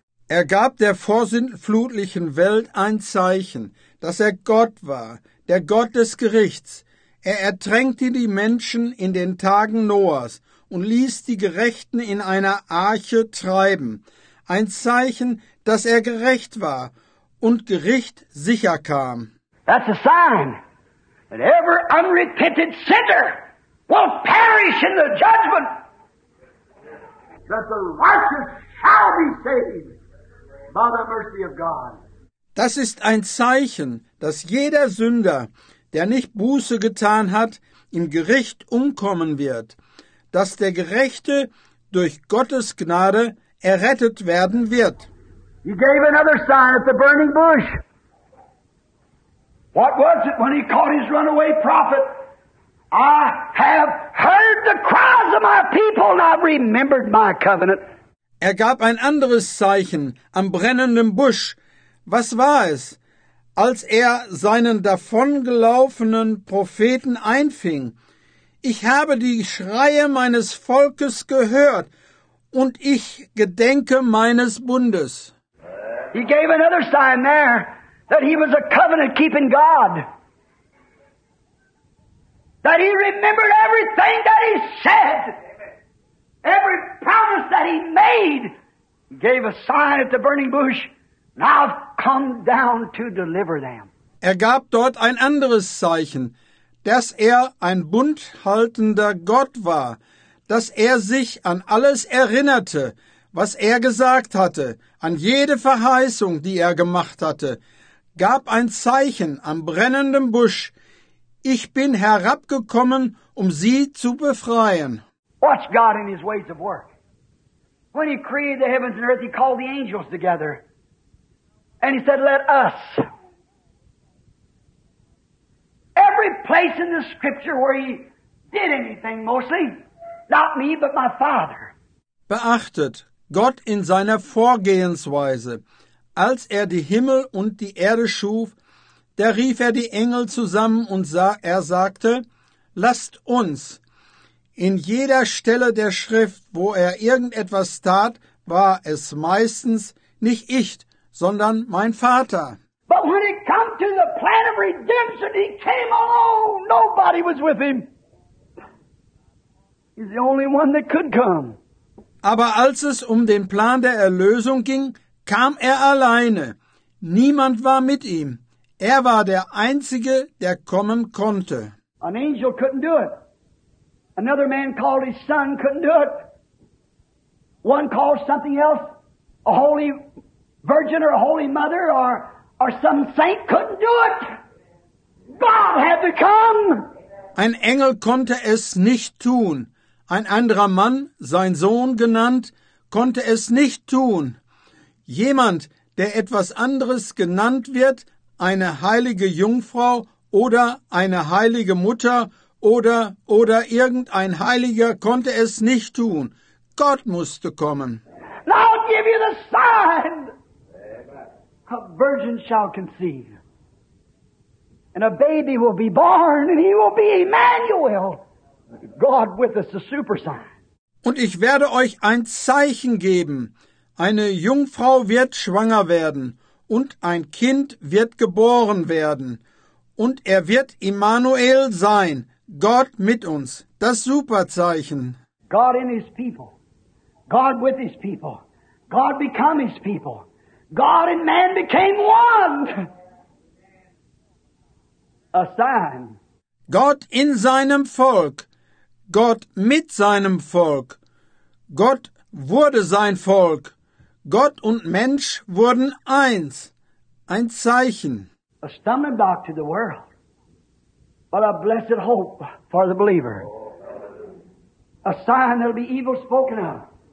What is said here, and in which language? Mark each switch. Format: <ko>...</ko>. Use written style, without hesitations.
<de>Er gab der vorsintflutlichen Welt ein Zeichen, dass er Gott war, der Gott des Gerichts. Er ertränkte die Menschen in den Tagen Noahs und ließ die Gerechten in einer Arche treiben. Ein Zeichen, dass er gerecht war und Gericht sicher kam.</de> <en>That's a sign that every unrepented sinner will perish in the judgment, that the righteous shall be saved by the mercy of God.</en> <de>Das ist ein Zeichen, dass jeder Sünder, der nicht Buße getan hat, im Gericht umkommen wird, dass der Gerechte durch Gottes Gnade errettet werden wird.</de> <en>He gave another sign at the burning bush. What was it when he caught his runaway prophet? I have heard the cries of my people and I've remembered my covenant.</en> <de>Er gab ein anderes Zeichen am brennenden Busch. Was war es, als er seinen davongelaufenen Propheten einfing? Ich habe die Schreie meines Volkes gehört und ich gedenke meines Bundes.</de> <en>He gave another sign there that he was a covenant-keeping God. That he remembered everything that he said, every promise that he made, gave a sign at the burning bush, now I've come down to deliver them.</en> <de>Er gab dort ein anderes Zeichen, dass er ein bundhaltender Gott war, dass er sich an alles erinnerte, was er gesagt hatte, an jede Verheißung, die er gemacht hatte, gab ein Zeichen am brennenden Busch, ich bin herabgekommen, um sie zu befreien.</de> <en>Watch God in his ways of work. When he created the heavens and earth, he called the angels together. And he said, let us. Every place in the scripture where he did anything mostly, not me, but my father.</en> <de>Beachtet Gott in seiner Vorgehensweise, als er die Himmel und die Erde schuf, da rief er die Engel zusammen und sagte, lasst uns. In jeder Stelle der Schrift, wo er irgendetwas tat, war es meistens nicht ich, sondern mein Vater.</de> <en>But when it came to the plan of redemption, he came alone. Nobody was with him. is the only one that could come.</en> <de>Aber als es um den Plan der Erlösung ging, kam alleine. Niemand war mit ihm. War der Einzige, der kommen konnte.</de> <en>An angel couldn't do it. Another man called his son couldn't do it. One called something else, a holy virgin or a holy mother or some saint couldn't do it. God had to come.</en> <de>Ein Engel konnte es nicht tun. Ein anderer Mann, sein Sohn genannt, konnte es nicht tun. Jemand, der etwas anderes genannt wird, eine heilige Jungfrau oder eine heilige Mutter oder irgendein Heiliger, konnte es nicht tun. Gott musste kommen.</de> <en>Now I'll give you the sign. A virgin shall conceive. And a baby will be born, and he will be Emmanuel. God with us, the super sign.</en> <de>Und ich werde euch ein Zeichen geben. Eine Jungfrau wird schwanger werden, und ein Kind wird geboren werden. Und wird Emmanuel sein, Gott mit uns. Das Superzeichen.</de> <en>God in his people. God with his people. God become his people. God and man became one. A sign.</en> <de>Gott in seinem Volk. Gott mit seinem Volk. Gott wurde sein Volk. Gott und Mensch wurden eins. Ein Zeichen.</de> <en>A stumbling block to the world, but a blessed hope for the believer. A sign that'll be evil spoken of.</en>